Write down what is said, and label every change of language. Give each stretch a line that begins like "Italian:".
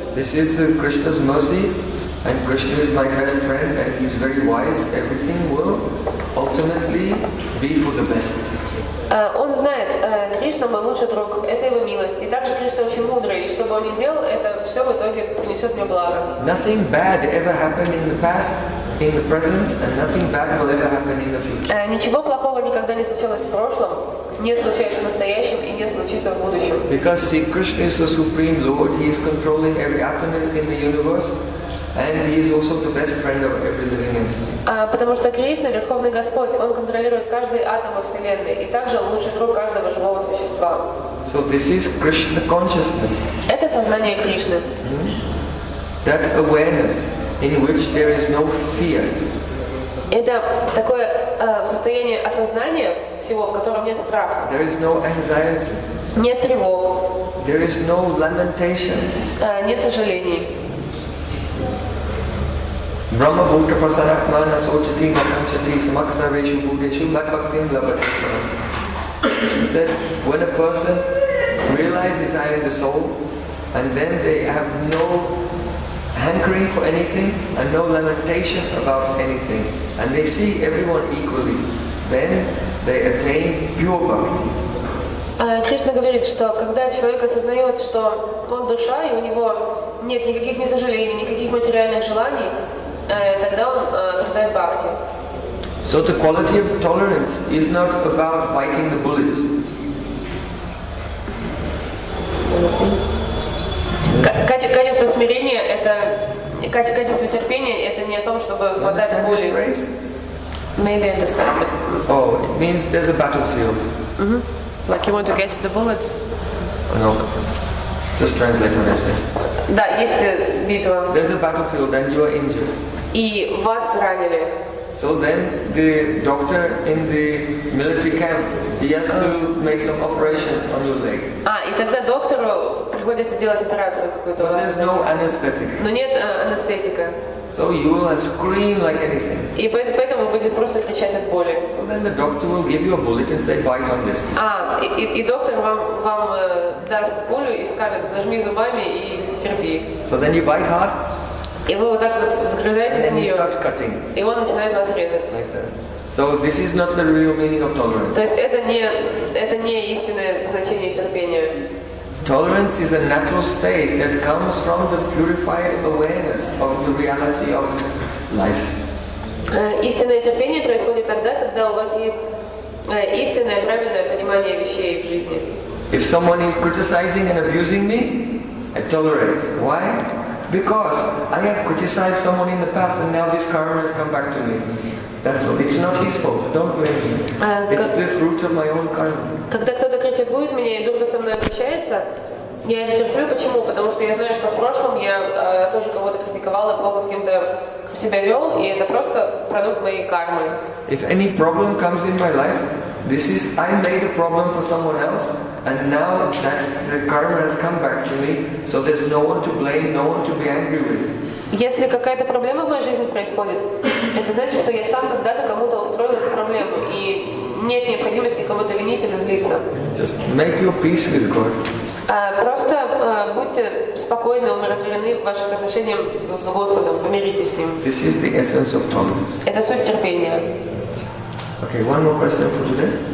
English: This is Krishna's mercy, and Krishna is my best friend, and he's very wise. Everything will ultimately be for the best.
Russian: Он знает, Кришна мой лучший друг, это его милость. И также Кришна очень мудрый, и что бы он ни делал, это все в итоге принесет мне благо.
English: Nothing bad ever happened in the past. In the present, and nothing bad will ever happen in the future.
Russian: Ничего плохого никогда не случилось в прошлом, не случается в настоящем и не случится в будущем.
English: Because see, Krishna is the supreme Lord, he is controlling every atom in the universe, and he is also the best friend of every living entity.
Russian: Потому что Кришна, Верховный Господь, Он контролирует каждый атом во Вселенной и также лучший друг каждого живого существа.
English: So this is Krishna consciousness.
Russian: Это сознание Кришны.
English: That awareness in which there is no fear.
Russian: Это такое состояние осознания всего, в котором нет страха.
English: There is no anxiety.
Russian: Нет тревог.
English: There is no lamentation.
Russian: Нет сожалений.
Sanskrit: Brahma Bhuta Prasanakmana Sochati Makanchati Samaksa Reju Bhudeshu Makaktim Labhadeshwaram.
English: She said, when a person realizes I am the soul, and then they have no hankering for anything and no lamentation about anything, and they see everyone equally, then they attain pure bhakti.
Russian: Кришна говорит, что когда человек осознает, что он душа, и у него нет никаких ни сожалений, никаких материальных желаний, тогда он придает бхакти.
English: So the quality of tolerance is not about biting the bullets.
Russian: Качество смирения — это качество терпения. Это не о том, чтобы хватать пули.
English: Maybe understand. But... Oh, it means there's a battlefield. Mm-hmm. Like you want to catch the bullets? No. Just translate what I say.
Russian: Да, есть битва.
English: There's a battlefield, and you are injured.
Russian: И вас ранили.
English: So then the doctor in the military camp, he has to make some operation on your leg.
Russian: И тогда доктору приходится делать операцию какую-то.
English: But there's no anesthetic.
Russian: Но нет анестетика.
English: So you will scream like anything.
Russian: И поэтому будет просто кричать от боли.
English: So then the doctor will give you a bullet and say, bite on this.
Russian: И доктор вам даст пулю и скажет, зажми зубами и терпи.
English: So then you bite hard.
Russian: И вы вот так вот загрызаетесь в нее, и он начинает вас резать.
English: So this is not the real meaning of tolerance.
Russian: То есть это не истинное значение терпения.
English: Tolerance is a natural state that comes from the purified awareness of the reality of life.
Russian: Истинное терпение происходит тогда, когда у вас есть истинное, правильное понимание вещей в жизни.
English: If someone is criticizing and abusing me, I tolerate. Why? Because I have criticized someone in the past and now this karma has come back to me. That's all. It's not his fault. Don't blame him. It's the fruit of my own karma.
Russian: Когда кто-то критикует меня и дурно со мной обращается, я не терплю. Почему? Потому что я знаю, что в прошлом я тоже кого-то критиковал и плохо с кем-то себя вел, и это просто продукт моей кармы.
English: If any problem comes in my life, this is I made a problem for someone else. And now that the karma has come back to me, so there's no one to blame, no one to be angry with.
Russian: Если какая-то проблема в моей жизни происходит, это значит, что я сам когда-то кому-то устроил эту проблему, и нет необходимости кого-то винить или злиться.
English: Just make your peace with God.
Russian: Просто будьте спокойны, умиротворены в ваших отношениях с Господом, помиритесь с Ним.
English: This is the essence of tolerance.
Russian: Это суть терпения.
English: Okay, one more question for today.